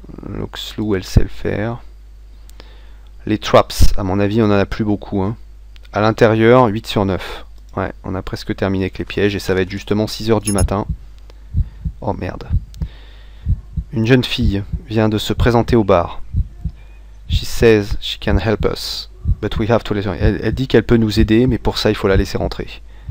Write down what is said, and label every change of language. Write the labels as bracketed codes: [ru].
[fr] Luxlou, elle sait le faire. Les traps, à mon avis, on en a plus beaucoup. Hein. À l'intérieur, 8 sur 9. Ouais, on a presque terminé avec les pièges et ça va être justement 6h du matin. Oh merde. Une jeune fille vient de se présenter au bar. [en] She says she can help us, but we have to let her. [fr] Elle dit qu'elle peut nous aider, mais pour ça, il faut la laisser rentrer.